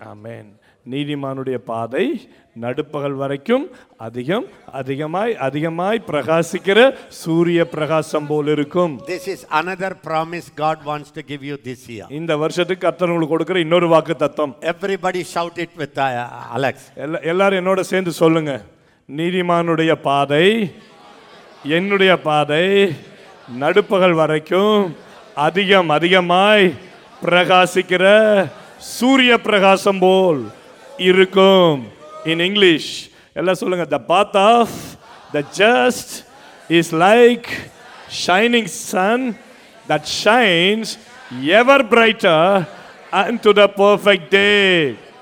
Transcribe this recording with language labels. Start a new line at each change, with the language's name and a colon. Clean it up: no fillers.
Tamil: amen நீதிமானுடைய பாதை நடுப்பகல் வரைக்கும் அதிகம் அதிகமாய் அதிகமாய் பிரகாசிக்கிற சூரிய பிரகாசம் போல இருக்கும்
English: This is another promise God wants to give you this year.
Tamil: இந்த வருஷத்துக்கு கர்த்தர் உங்களுக்கு கொடுக்கிற இன்னொரு வாக்குத்தத்தம்
English: Everybody shout it with Alex.
Tamil: எல்லாரும் என்னோட சேர்ந்து சொல்லுங்க. நீதிமானுடைய பாதை என்னுடைய பாதை நடுப்பகல் வரைக்கும் அதிகம் அதிகமாய் பிரகாசிக்கிற சூரிய பிரகாசம் போல் இருக்கும்
English: in English.
Tamil: Ella solunga,
English: the path of the just is like shining sun that shines ever brighter unto the perfect day.